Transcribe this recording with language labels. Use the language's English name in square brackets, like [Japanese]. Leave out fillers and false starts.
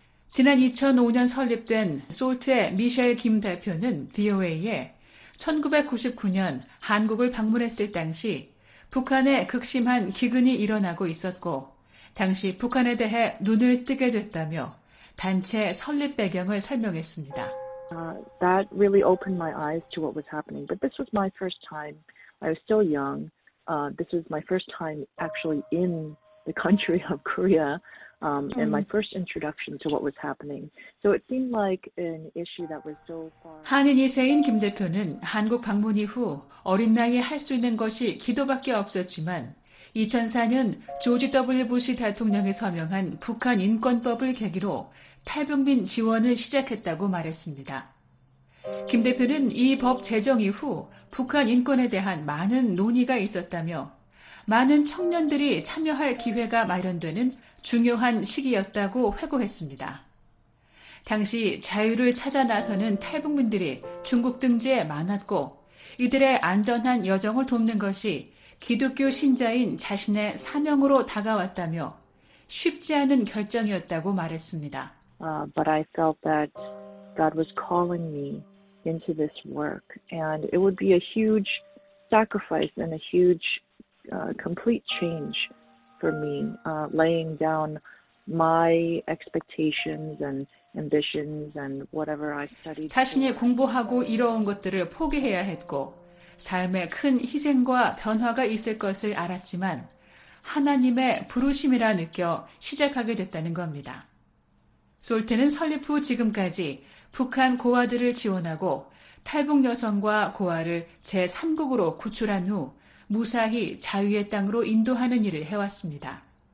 [Korean] 지난 2005년 설립된 SALT의 미셸 김 대표는 VOA에 1999년 한국을 방문했을 당시 북한에 극심한 기근이 일어나고 있었고 당시 북한에 대해 눈을 뜨게 됐다며 단체 설립 배경을 설명했습니다. [English] That really opened my eyes to what was happening. But this was my first time. I was still young. This was my first time actually in the country of Korea. And my first introduction to what was happening. So it seemed like an issue that was so far. [Korean] 한인 2세인 김 대표는 한국 방문 이후 어린 나이에 할 수 있는 것이 기도밖에 없었지만 2004년 조지 W. 부시 대통령이 서명한 북한 인권법을 계기로 탈북민 지원을 시작했다고 말했습니다. 김 대표는 이 법 제정 이후 북한 인권에 대한 많은 논의가 있었다며 많은 청년들이 참여할 기회가 마련되는 중요한 시기였다고 회고했습니다. 당시 자유를 찾아 나서는 탈북민들이 중국 등지에 많았고 이들의 안전한 여정을 돕는 것이 기독교 신자인 자신의 사명으로 다가왔다며 쉽지 않은 결정이었다고 말했습니다. [English] But I felt that God was calling me into this work and it would be a huge sacrifice and a huge complete change for me, laying down my expectations and ambitions and whatever I studied. [Korean] 자신이 공부하고 이뤄온 것들을 포기해야 했고 삶에 큰 희생과 변화가 있을 것을 알았지만 하나님의 부르심이라 느껴 시작하게 됐다는 겁니다. 솔트는 설립 후 지금까지 북한 고아들을 지원하고 탈북 여성과 고아를 제3국으로 구출한 후 무사히 자유의 땅으로 인도하는 일을 해왔습니다.